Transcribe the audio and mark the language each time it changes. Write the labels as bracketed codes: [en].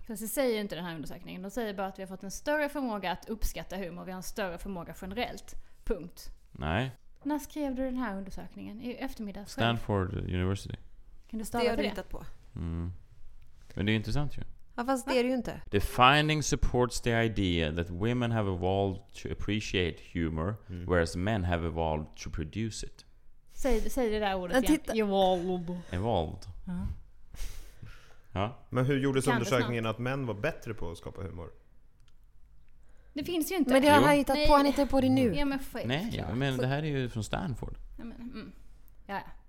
[sv] Fast det säger ju inte den här undersökningen. De säger bara att vi har fått en större förmåga att uppskatta humor. Vi har en större förmåga generellt. Punkt. Nej. När skrev du den här undersökningen? I eftermiddag? Stanford University. Kan du stava det? Det har du hittat på. Mm. Men det är intressant ju. Ja, fast det är det ju inte. [en] The finding supports the idea that women have evolved to appreciate humor, mm, whereas men have evolved to produce it. [sv] Säg det där ordet titta igen. Evolved. Ja. Ja. Men hur gjordes undersökningen att män var bättre på att skapa humor? Det finns ju inte. Men det har han hittat på. Han hittar på det nu. Ja, men för, nej, ja, men det här är ju från Stanford. Ja, men, mm, ja.